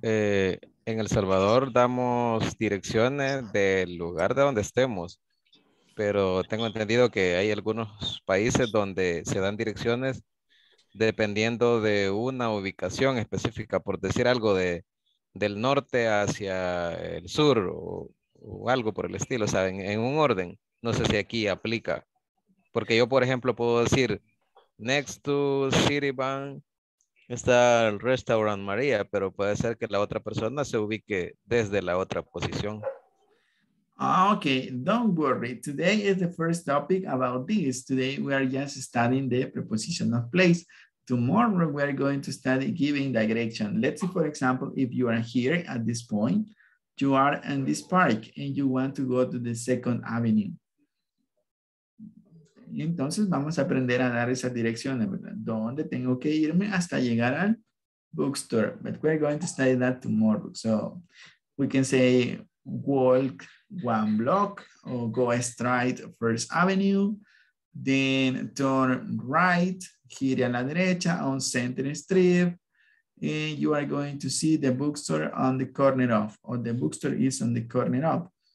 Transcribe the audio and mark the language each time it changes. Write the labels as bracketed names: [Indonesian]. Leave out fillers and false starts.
[Spanish] En El Salvador damos direcciones del lugar de donde estemos, pero tengo entendido que hay algunos países donde se dan direcciones dependiendo de una ubicación específica, por decir algo, del norte hacia el sur o algo por el estilo, o sea, en un orden. No sé si aquí aplica, porque yo, por ejemplo, puedo decir... [English] Next to [Spanish] Citibank está el restaurant María, pero puede ser que la otra persona se ubique desde la otra posición. [English] Okay, don't worry. Today is the first topic about this. Today we are just studying the preposition of place. Tomorrow we are going to study giving direction. Let's see, for example, if you are here at this point, you are in this park and you want to go to the Second Avenue. [Spanish] Y entonces vamos a aprender a dar esas direcciones, ¿verdad? ¿Dónde tengo que irme hasta llegar al bookstore? [English] But we're going to study that tomorrow. So we can say walk one block or go straight First Avenue, then turn right, [Spanish] gire a la derecha [English] on Center Street, and you are going to see the bookstore on the corner of, or the bookstore is on the corner of.